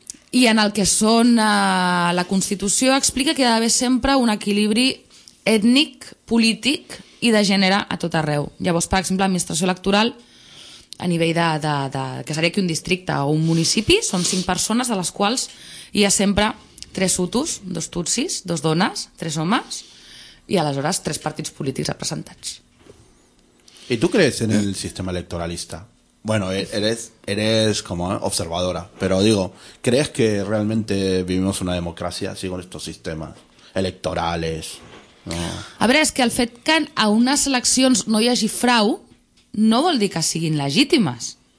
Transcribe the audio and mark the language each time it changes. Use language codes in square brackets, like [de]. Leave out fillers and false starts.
[ca] i en el que són la Constitució explica que hi ha d'haver sempre un equilibri ètnic, polític i de gènere a tot arreu. Llavors, per exemple, l'administració electoral, a nivell de que seria aquí un districte o un municipi, són 5 persones de les quals hi ha sempre 3 hutus, 2 tutsis, 2 dones, 3 homes, i aleshores 3 partits polítics representats. [es] ¿Y tú crees en el sistema electoralista? Bueno, eres como observadora, pero digo, ¿crees que realmente vivimos una democracia así con estos sistemas electorales? No. [ca] A veure, és que el fet que a unes eleccions no hi hagi frau no vol dir que siguin legítimes.